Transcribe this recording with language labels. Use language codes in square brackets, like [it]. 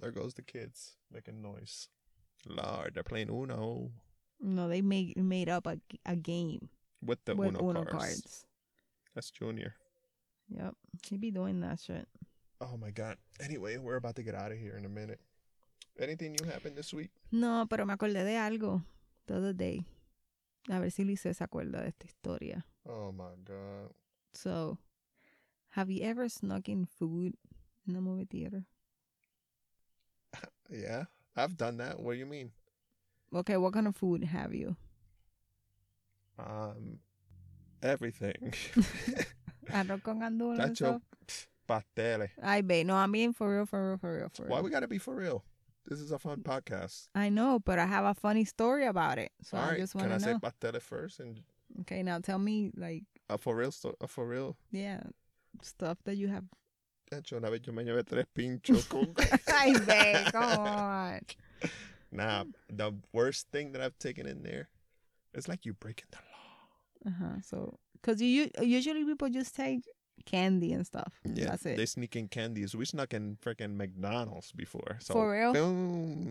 [en] There goes the kids making noise. Lord, they're playing Uno. No, they made up a game. With Uno cards. That's Junior. Yep. He be doing that shit. Oh, my God. Anyway, we're about to get out of here in a minute. Anything new happened this week? [es] No, pero me acordé de algo [en] the other day. [es] A ver si Lisa se acuerda de esta historia. [en] Oh, my God. So, have you ever snuck in food in the movie theater? Yeah, I've done that. What do you mean? Okay, what kind of food have you? Everything. [es] Arroz con andules. Cacho, pasteles. [en] Ay, babe. No, I mean for real. Why we gotta be for real? This is a fun podcast. I know, but I have a funny story about it. So all right, I just want to know. Can I say pastele first? And okay, now tell me like. A for real story. Yeah. Stuff that you have. [es] Cacho, una vez yo me llevé tres pinchos con. [en] Ay, babe, come on. Nah, the worst thing that I've taken in there, it's like you breaking the law. Uh-huh. So, because usually people just take candy and stuff. Yeah, that's it. They sneak in candies. We snuck in freaking McDonald's before. So, for real? Boom.